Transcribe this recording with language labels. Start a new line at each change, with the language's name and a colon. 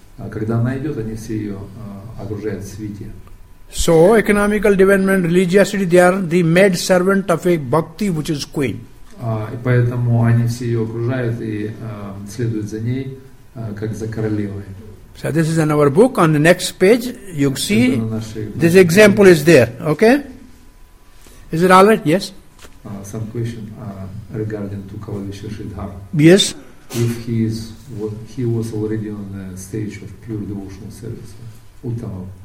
Russian: Когда она идет, они все ее окружают в свите.
English: So economical development, religiosity, they are the maid servant of a bhakti, which is queen.
Russian: И поэтому они все ее окружают и следуют за ней, как за королевой.
English: So this is in our book. On the next page, you see this example is there. Okay. Is it all right? Yes. Some question regarding to Kavalisha Sridhar. Yes. If he is, he was already on the stage of pure devotional service, Uttama.